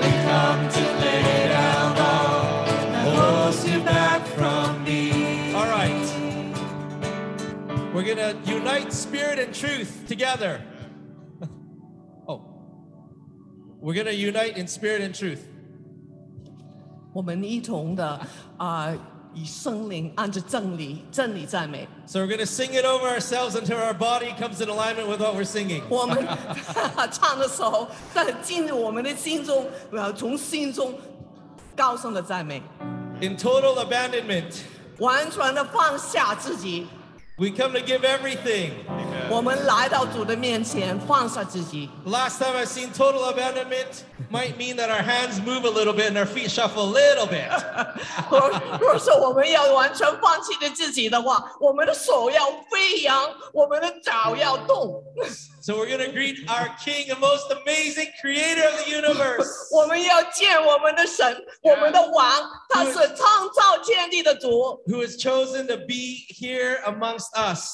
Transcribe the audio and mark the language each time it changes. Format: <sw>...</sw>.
<en>We've come to lay down all the woes we bear from me. All right. We're going to unite spirit and truth together. Oh. We're going to unite in spirit and truth.</en> <zh>我们一同的以圣灵按着真理真理赞美。</zh> <en>So we're going to sing it over ourselves until our body comes in alignment with what we're singing.</en> <zh>我们唱的时候在进入我们的心中从心中高声的赞美。</zh> <en>In total abandonment.</en> <zh>完全的放下自己。</zh> <en>We come to give everything.</en> <zh>我们来到主的面前放下自己。</zh> <en>Last time I seen total abandonment might mean that our hands move a little bit and our feet shuffle a little bit.</en> <zh>若是我们要完全放弃的自己的话，我们的手要飞扬，我们的脚要动。</zh> <en>So we're going to greet our King, the most amazing creator of the universe.</en> <zh>我们要见我们的神，我们的王，他是创造天地的主。</zh> <en>Who has chosen to be here amongst us.</en>